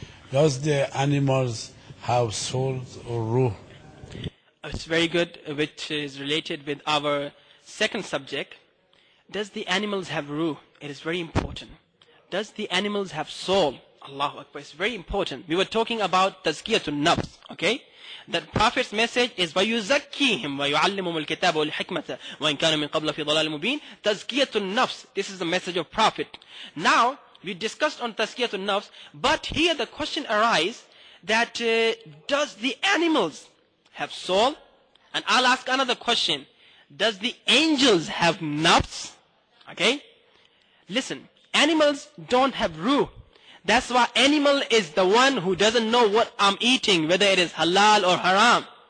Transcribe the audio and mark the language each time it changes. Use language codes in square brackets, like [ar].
[en] Does the animals have souls or ruh? It's very good, which is related with our second subject. Does the animals have ruh? It is very important. Does the animals have soul? Allahu Akbar, it's very important. We were talking about tazkiyatun nafs, okay? That Prophet's message is [ar] وَيُزَكِّيهِمْ وَيُعَلِّمُمُ الْكِتَابَ وَالْحِكْمَةَ وَإِنْ كَانُوا مِنْ قَبْلَ فِي ضَلَالٍ مُبِينٍ تَزْكِيَةٌ نَفْسِ. [en] This is the message of Prophet. Now, we discussed on تَزْكِيَةٌ نَفْسِ, but here the question arises that does the animals have soul? And I'll ask another question. Does the angels have nafs? Okay? Listen, animals don't have ruh. That's why animal is the one who doesn't know what I'm eating, whether it is halal or haram.